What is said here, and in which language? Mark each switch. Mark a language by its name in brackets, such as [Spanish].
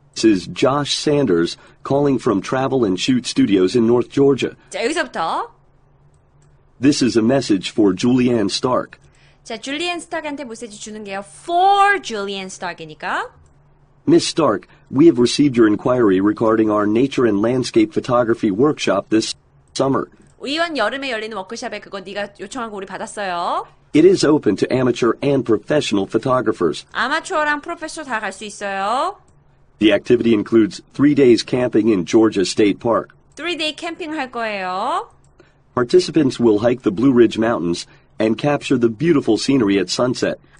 [English] This is Josh Sanders calling from Travel and Shoot Studios in North Georgia. [Korean] 자 여기서부터 [English] This is a message for Julianne Stark. [Korean] 자 줄리안 스타크한테 메시지 주는 게요. For 줄리안 스타크이니까. [English] Miss Stark, we have received your inquiry regarding our nature and landscape photography workshop this summer. [Korean] 이번 여름에 열리는 워크숍에 그거 네가 요청하고 우리 받았어요. [English] It is open to amateur and professional photographers. [Korean] 아마추어랑 프로페셔 다갈수 있어요. [English] The activity includes 3 days camping in Georgia State Park. [Korean] 3-day 캠핑 할 거예요. [English] Participants will hike the Blue Ridge Mountains and capture the beautiful scenery at sunset.